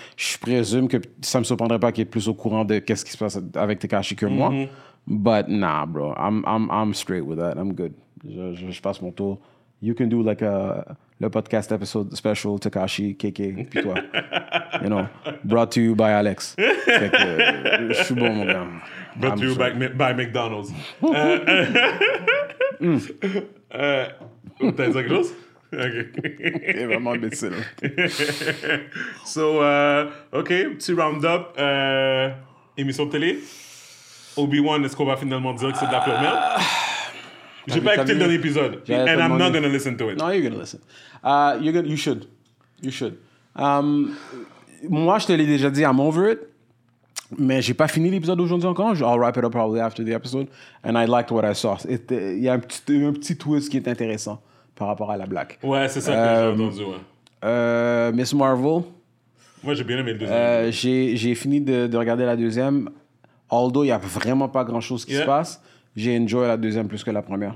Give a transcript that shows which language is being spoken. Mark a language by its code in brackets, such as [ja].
[fr] Je présume que ça me surprendrait pas qu'il est plus au courant de qu'est-ce qui se passe avec Tekashi que moi. [en] But nah, bro, I'm straight with that. I'm good. [fr] Je passe mon tour. [en] You can do like a le podcast episode special, Tekashi, KK, puis toi. You know, brought to you by Alex. [fr] Je suis bon, mon gars. [en] Brought to you by McDonald's. [fr] T'as dit quelque chose? OK. T'es vraiment imbécile. So, OK, petit roundup. Émission de télé. Obi-Wan, est-ce qu'on va finalement dire que c'est de la pure merde? J'ai pas écouté dans l'épisode. [en] And I'm not going to listen to it. No, you're going to listen. You should. You should. [fr] Moi, je te l'ai déjà dit, [en] I'm over it. [fr] Mais j'ai pas fini l'épisode aujourd'hui encore. [en] I'll wrap it up probably after the episode. And I liked what I saw. [fr] Il y a un petit twist qui est intéressant par rapport à la blague. Ouais, c'est ça que j'ai entendu. Miss Marvel. Moi, j'ai bien aimé le deuxième. J'ai fini de regarder la deuxième. Although, il y a vraiment pas grand-chose qui se passe. J'ai enjoyé la deuxième plus que la première.